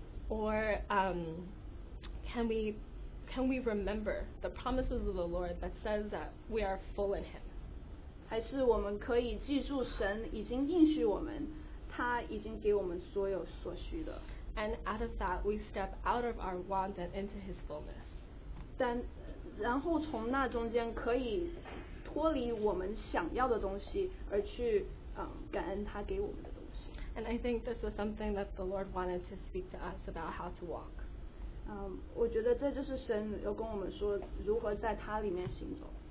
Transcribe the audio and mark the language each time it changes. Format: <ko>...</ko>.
<en>or can we remember the promises of the Lord that says that we are full in him?</en> <zh>还是我们可以记住神已经应许我们他已经给我们所有所需的。</zh> <en>And out of that, we step out of our want and into his fullness.</en> <zh>然后从那中间可以脱离我们想要的东西而去 感恩他给我们的东西。</zh> <en>And I think this was something that the Lord wanted to speak to us about how to walk.</en> <zh>我觉得这就是神有跟我们说如何在他里面行走。</zh>